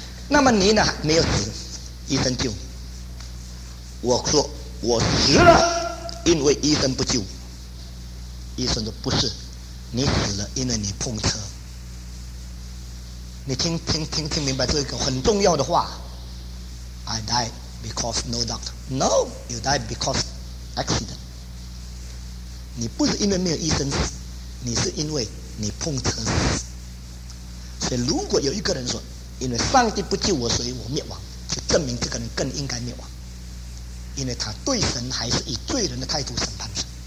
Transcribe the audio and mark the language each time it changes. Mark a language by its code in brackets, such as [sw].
[zh] 那么你呢没有死，医生救你，我说我死了，因为医生不救我。医生说不是，你死了因为你碰车。你听明白这个很重要的话， [en] I died because no doctor. No, you died because accident. [zh] 你不是因为没有医生死，你是因为你碰车死。所以如果有一个人说因为上帝不救我所以我灭亡，就证明这个人更应该灭亡，因为他对神还是以罪人的态度审判神。